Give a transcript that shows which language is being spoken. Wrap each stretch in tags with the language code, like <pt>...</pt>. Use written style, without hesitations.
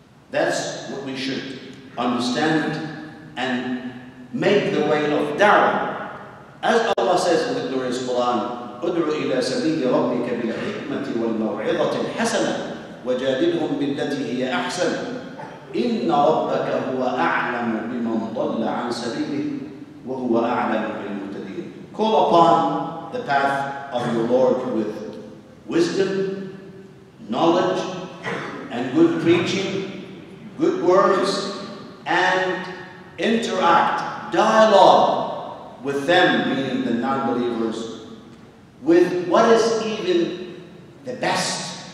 <en>That's what we should understand and make the way of da'wah. As Allah says in the glorious Quran,</en> <ar>ادْعُ إِلَى سَبِيلِ رَبِّكَ بِالْحِكْمَةِ وَالْمَوْعِظَةِ الْحَسَنَةِ وَجَادِلْهُمْ بِالَّتِي هِيَ أَحْسَنُ إِنَّ رَبَّكَ هُوَ أَعْلَمُ بِمَنْ ضَلَّ عَنْ سَبِيلِهِ وَهُوَ أَعْلَمُ بِالْمُهْتَدِينَ.</ar> <en>Call upon the path of your Lord with wisdom, knowledge, and good preaching, good words, and interact, dialogue with them, meaning the non-believers, with what is even the best.</en>